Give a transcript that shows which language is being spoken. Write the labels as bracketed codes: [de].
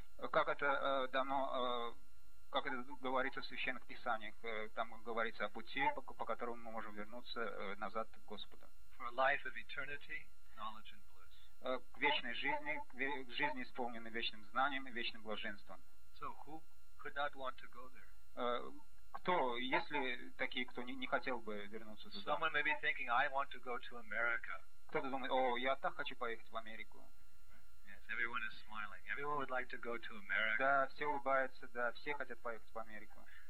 [ru] Как это дано, как это говорится в священных писаниях, там говорится о пути, по которому мы можем вернуться назад к Господу. [en] For a life of eternity, knowledge and bliss. [ru] К вечной жизни, к жизни, исполненной вечным знанием и вечным блаженством. [en] So who could not want to go there? [ru] Кто, если такие, кто не хотел бы вернуться туда? [en] Someone may be thinking, I want to go to America. [ru] Кто-то думает, я так хочу поехать в Америку. [en] Yes, everyone is smiling. Everyone would like to go to America. [ru] Да, все улыбаются, да, все хотят поехать в Америку.